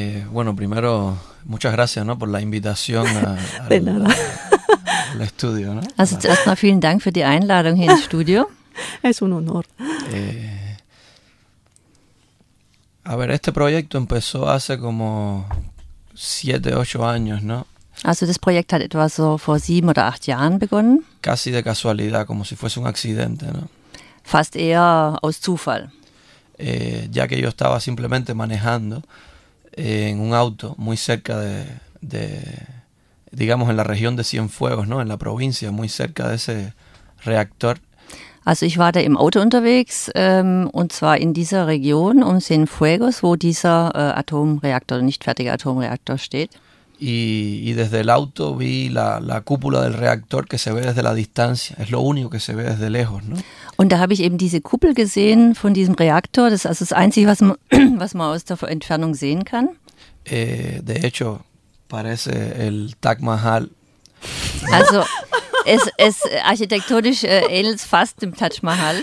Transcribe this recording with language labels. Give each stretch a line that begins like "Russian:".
Spanish: Bueno, primero, muchas gracias, ¿no? Por la invitación al estudio, ¿no?
German: Also zuerst mal vielen Dank für die Einladung hier ins Studio.
Spanish: Es un honor. A ver, este proyecto empezó hace como 7-8 años, ¿no?
German: Also das Projekt hat etwa so vor 7 oder 8 Jahren begonnen.
Spanish: Casi de casualidad, como si fuese un accidente, ¿no?
German: Fast eher aus Zufall.
Spanish: Ya que yo estaba simplemente manejando en un auto muy cerca de digamos en la región de Cienfuegos, ¿no? En la provincia, muy cerca de ese reactor.
German: Also ich war da im Auto unterwegs, und zwar in dieser Region um Cienfuegos, wo dieser Atomreaktor, nicht fertiger Atomreaktor steht.
Spanish: Y desde el auto vi la cúpula del reactor que se ve desde la distancia, es lo único que se ve desde lejos, ¿no?
German: Und da habe ich eben diese Kuppel gesehen von diesem Reaktor, das ist also das Einzige, was man aus der Entfernung sehen kann.
Spanish: De hecho, parece el Taj Mahal.
German: Also... Es architektonisch ähnelt fast dem Taj Mahal.